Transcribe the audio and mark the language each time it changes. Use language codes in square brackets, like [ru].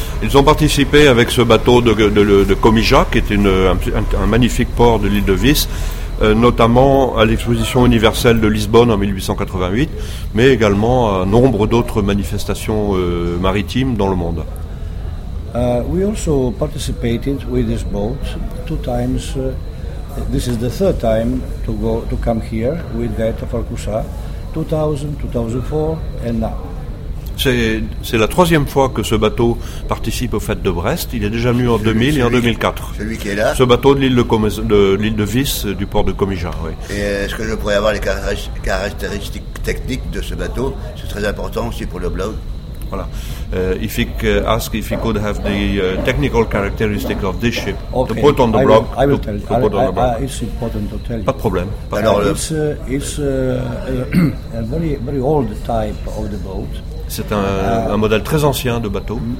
[fr] Ils ont participé avec ce bateau de Komija, qui est un magnifique port de l'île de Vis, notamment à l'exposition universelle de Lisbonne en 1888, mais également à nombre d'autres manifestations maritimes dans le monde. [en] We also participated with this boat two times. This is the third time to come here with Gaeta Falkusa, 2000, 2004 and now. [fr] C'est la troisième fois que ce bateau participe aux fêtes de Brest. Il est déjà venu en 2000 et en 2004. Celui qui est là. Ce bateau de l'île de Vis, du port de Komija, oui. Et est-ce que je pourrais avoir les caractéristiques techniques de ce bateau? C'est très important aussi pour le blog. Voilà. [en] If he could have the technical characteristics of this ship, okay, to put on the blog. It's important to tell you. [fr] Pas de problème. [en] It's a very, very old type of the boat. [fr] C'est un modèle très ancien de bateau.